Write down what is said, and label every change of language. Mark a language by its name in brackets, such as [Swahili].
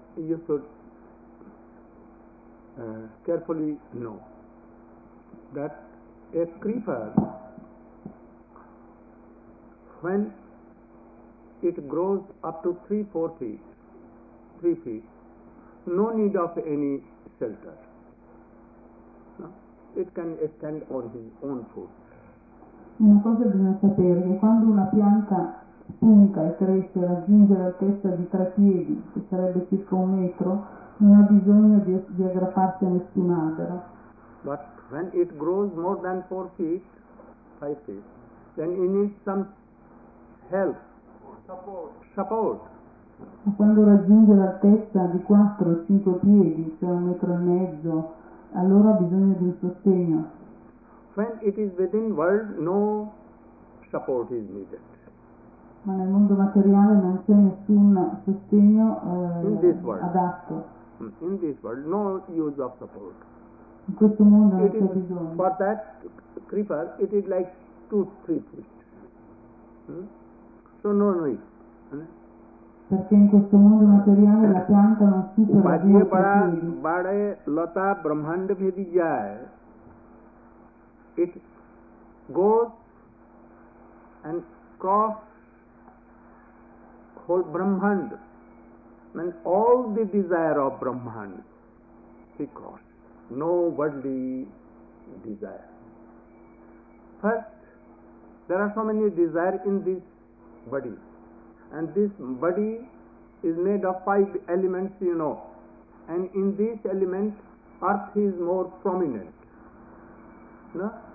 [English] You should carefully know that a creeper, when it grows up to 3-4 feet, no need of any shelter. No? It can stand on his own foot. [Italian] Una cosa bisogna sapere che quando una pianta punta e cresce, raggiunge l'altezza di 3 piedi, che sarebbe circa 1 metro, non ha bisogno di aggrapparsi a nessun albero. [English] But when it grows more than 4 feet, 5 feet, then it needs some help, support. [Italian] Ma quando raggiunge l'altezza di 4-5 piedi, cioè 1.5 metri, allora ha bisogno di un sostegno. [English] When it is within world, no support is needed. [Italian] Ma nel mondo materiale non c'è nessun sostegno adatto. [English] In this world, no use of support. [Italian] In questo mondo non c'è bisogno. [English] For that creeper, it is like 2-3 feet. So no need. [Italian] Perché in questo mondo materiale la pianta non supera 2-3 feet. [Hindi] Bade lata brahmand bhedi jaye. [English] It goes and cross whole Brahmand, and all the desire of Brahmand, he crossed. No worldly desire. First, there are so many desires in this body, and this body is made of 5 elements, you know, and in this element, earth is more prominent. No?